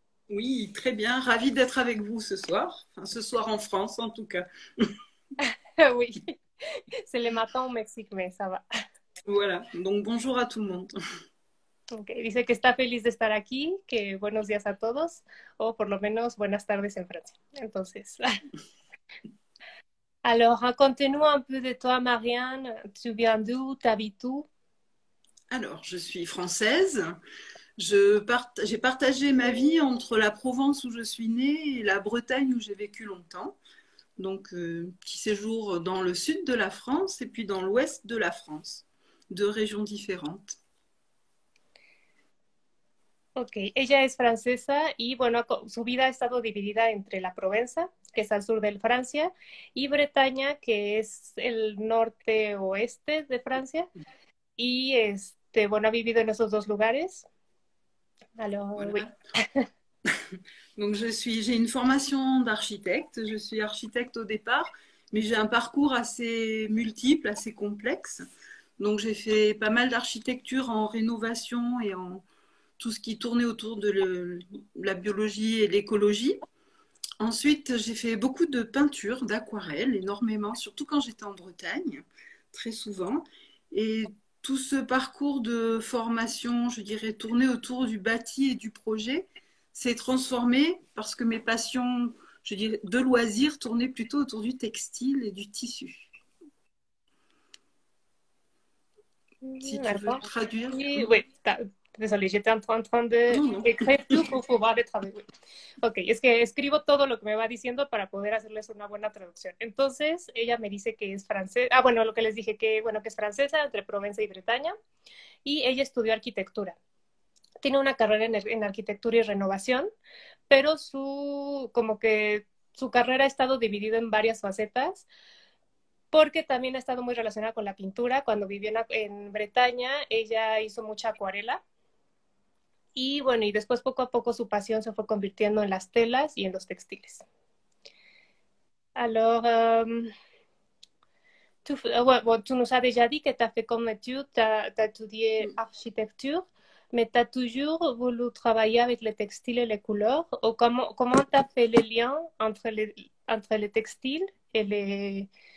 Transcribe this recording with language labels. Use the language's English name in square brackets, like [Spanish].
[French] Oui, très bien, ravie d'être avec vous ce soir, enfin, ce soir en France en tout cas. Oui, c'est le matin au Mexique, mais ça va. Voilà, donc bonjour à tout le monde. [Spanish] Ok, dice que está feliz de estar aquí, que buenos días a todos, o por lo menos buenas tardes en Francia. Entonces. [French] Alors, racontez-nous un peu de toi, Marianne. Tu viens d'où? T'habites où? Alors, je suis française. J'ai partagé ma vie entre la Provence où je suis née et la Bretagne où j'ai vécu longtemps. Donc, petit séjour dans le sud de la France et puis dans l'ouest de la France, deux régions différentes. [Spanish] Ok, ella es francesa y bueno, su vida ha estado dividida entre la Provenza, que es al sur de Francia, y Bretaña, que es el norte oeste de Francia. Y bueno, ha vivido en esos dos lugares. [French] Alors, oui. Voilà. Donc j'ai une formation d'architecte. Je suis architecte au départ, mais j'ai un parcours assez multiple, assez complexe. Donc j'ai fait pas mal d'architecture en rénovation et en tout ce qui tournait autour de la biologie et l'écologie. Ensuite, j'ai fait beaucoup de peinture, d'aquarelle, énormément, surtout quand j'étais en Bretagne, très souvent. Et tout ce parcours de formation, je dirais, tourné autour du bâti et du projet, s'est transformé parce que mes passions, je dirais, de loisirs tournaient plutôt autour du textile et du tissu. Si tu veux D'accord. traduire. Oui, désolée, j'étais en train Non, d'écrire tout pour pouvoir le traduire. [Spanish] Ok, es que escribo todo lo que me va diciendo para poder hacerles una buena traducción. Entonces, ella me dice que es francesa. Ah, bueno, lo que les dije, que bueno, que es francesa entre Provenza y Bretaña. Y ella estudió arquitectura. Tiene una carrera en arquitectura y renovación, pero como que su carrera ha estado dividida en varias facetas, porque también ha estado muy relacionada con la pintura. Cuando vivió en Bretaña, ella hizo mucha acuarela. Y bueno, y después poco a poco su pasión se fue convirtiendo en las telas y en los textiles. [French] Alors, [Spanish] tú nos has ya dicho que te has [French] fait comme étude, t'as [Spanish] estudié [French] architecture, mais t'as toujours voulu travailler avec le textile et les couleurs. [Spanish] ¿O cómo te has [French] fait le lien entre le textile et les...